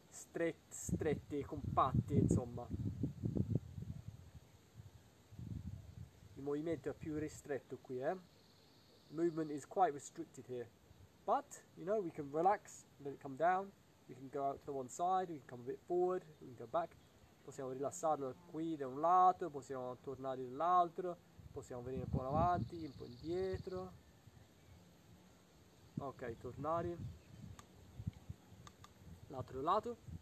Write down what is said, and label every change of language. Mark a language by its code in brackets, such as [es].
[it] Strette, compatte, insomma. Il movimento è più ristretto qui, eh? [en] Movement is quite restricted here. But, you know, we can relax, let it come down. We can go out to the one side, we can come a bit forward, we can go back. [it] Possiamo rilassarlo qui da un lato, possiamo tornare dall'altro, possiamo venire un po' avanti, un po' indietro. Ok, tornare. L'altro lato.